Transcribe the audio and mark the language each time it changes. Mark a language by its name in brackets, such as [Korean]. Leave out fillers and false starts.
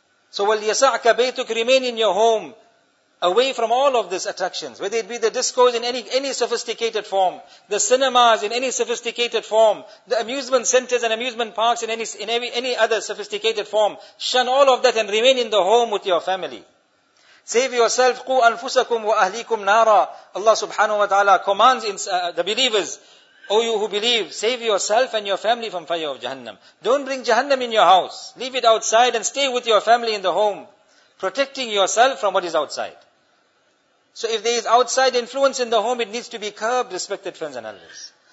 [English] So, [Arabic] وَلْيَسَعْكَ بَيْتُكَ, [English] remain in your home, away from all of these attractions, whether it be the discos in any sophisticated form, the cinemas in any sophisticated form, the amusement centers and amusement parks in any other sophisticated form, shun all of that and remain in the home with your family. Save yourself, [Arabic] قُوْ أَنفُسَكُمْ وَأَهْلِيكُمْ نَارًا. [English] Allah subhanahu wa ta'ala commands the believers, O you who believe, save yourself and your family from fire of Jahannam. Don't bring Jahannam in your house. Leave it outside and stay with your family in the home, protecting yourself from what is outside. So if there is outside influence in the home, it needs to be curbed, respected friends and elders.